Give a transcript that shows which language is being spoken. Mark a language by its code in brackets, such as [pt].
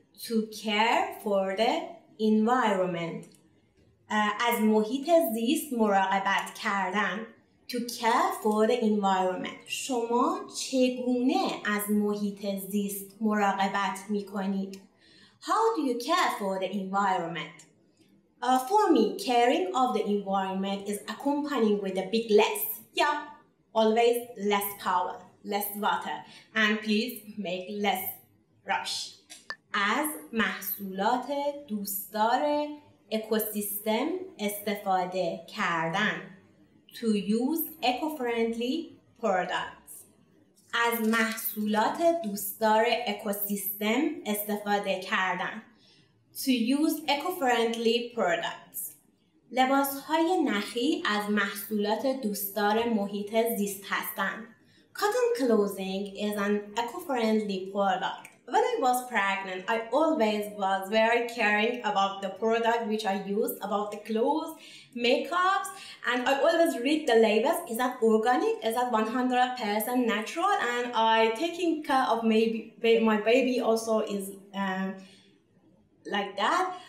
[en] To care for the environment. [fa] از محیط زیست مراقبت کردن. [en] To care for the environment. [fa] شما چگونه از محیط زیست مراقبت می کنید؟ [en] How do you care for the environment? For me, caring of the environment is accompanying with a big less. Yeah, always less power, less water. And please make less rush. [fa] از محصولات دوستدار اکوسیستم استفاده کردن. [en] To use eco-friendly products. [fa] از محصولات دوستدار اکوسیستم استفاده کردن. [en] To use eco-friendly products. [fa] لباس‌های نخی از محصولات دوستدار محیط زیست هستند. [en] Cotton clothing is an eco-friendly product. When I was pregnant, I always was very caring about the product which I used, about the clothes, makeups, and I always read the labels. Is that organic? Is that 100% natural? And I taking care of maybe my baby also is like that.